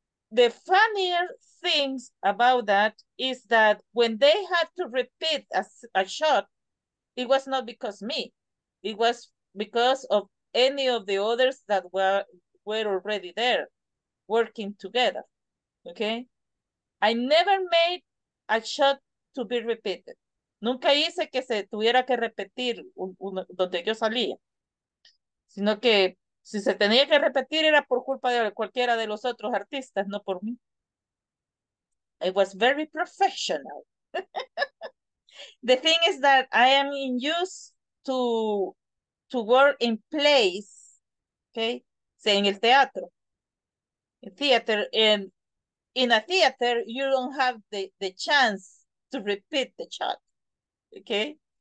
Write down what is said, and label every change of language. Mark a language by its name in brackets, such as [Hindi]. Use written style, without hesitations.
[English] The funnier things about that is that when they had to repeat a shot, it was not because me. It was because of any of the others that were already there working together. Okay? I never made a shot to be repeated. [Spanish] Nunca hice que se tuviera que repetir donde yo salía. Sino que si se tenía que repetir era por culpa de cualquiera de los otros artistas, no por mí. [English] It was very professional. The thing is that I am in use to work in plays, okay? Say in [Spanish] el teatro, [English] in theater, and in a theater, you don't have the chance to repeat the shot, okay?